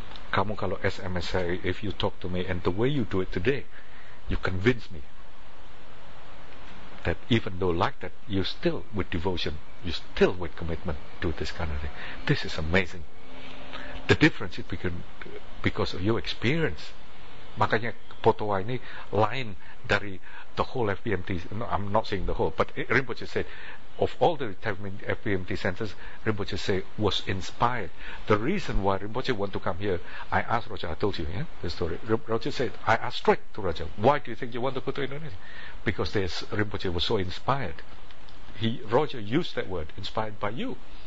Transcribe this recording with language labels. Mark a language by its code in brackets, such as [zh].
[id] Kamu kalau SMS saya, [en] if you talk to me, and the way you do it today, you convince me that even though like that, you still with devotion, you still with commitment do this kind of thing. This is amazing. The difference is because of your experience. [id] Makanya Potoa ini lain dari [en] the whole [id] FBMT. [en] No, I'm not saying the whole, but Rinpoche said, of all the FBMT centers, Rinpoche say was inspired. The reason why Rinpoche want to come here, I asked Roger, I told you, yeah, the story. Roger said, I asked straight to Roger, why do you think you want to go to Indonesia? Because there's Rinpoche was so inspired. He, Roger used that word, inspired by you.